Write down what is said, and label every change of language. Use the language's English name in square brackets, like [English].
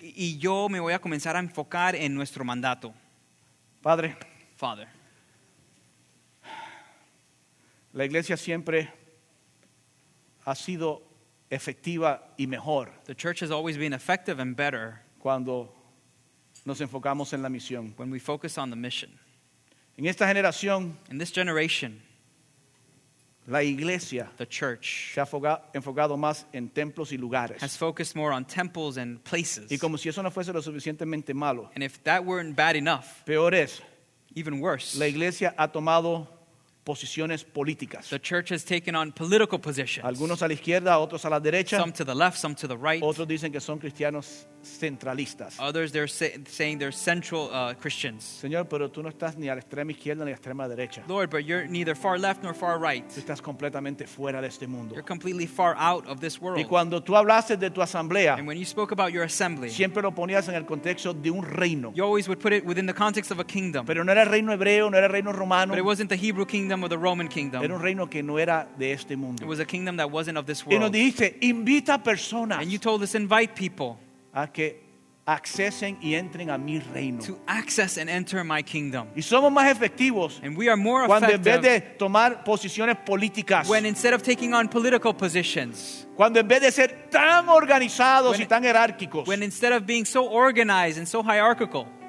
[Spanish] Y yo me voy a comenzar a enfocar en nuestro mandato. Padre. [English] Father. [Spanish] La iglesia siempre ha sido efectiva y mejor. [English] The church has always been effective and better. [Spanish] Cuando nos enfocamos en la misión. [English] When we focus on the mission. [Spanish] En esta generación, [English] in this generation, [Spanish] la iglesia, [English] the church, [Spanish] se ha enfocado más en templos y lugares, [English] has focused more on temples and places. [Spanish] Y como si eso no fuese lo suficientemente malo, [English] and if that weren't bad enough, [Spanish] peor es, [English] even worse, [Spanish] la iglesia ha tomado posiciones políticas. [English] The church has taken on political positions. [Spanish] Algunos a la izquierda, otros a la derecha. [English] Some to the left, some to the right. [Spanish] Otros dicen que son cristianos centralistas. [English] Others they're saying they're central Christians. [Spanish] Señor, pero tú no estás ni a la extrema izquierda ni a la extrema derecha. [English] Lord, but you're neither far left nor far right. [Spanish] Tú estás completamente fuera de este mundo. [English] You're completely far out of this world. [Spanish] Y cuando tú hablaste de tu asamblea, [English] and when you spoke about your assembly, [Spanish] siempre lo ponías en el contexto de un reino. [English] You always would put it within the context of a kingdom. [Spanish] Pero no era el reino hebreo, no era el reino romano. [English] But it wasn't the Hebrew kingdom or the Roman kingdom. [Spanish] Era un reino que no era de este mundo. [English] It was a kingdom that wasn't of this world. [Spanish] Y nos dijiste, invita personas. [English] And you told us, invite people. [Spanish] A que accesen y entren a mi reino. [English] To access and enter my kingdom. [Spanish] Y somos más efectivos. [English] And we are more [Spanish] cuando [English] effective. [Spanish] Cuando en vez de tomar posiciones políticas. [English] When instead of taking on political positions. [Spanish] Cuando en vez de ser tan organizados y tan jerárquicos. [English] When instead of being so organized and so hierarchical.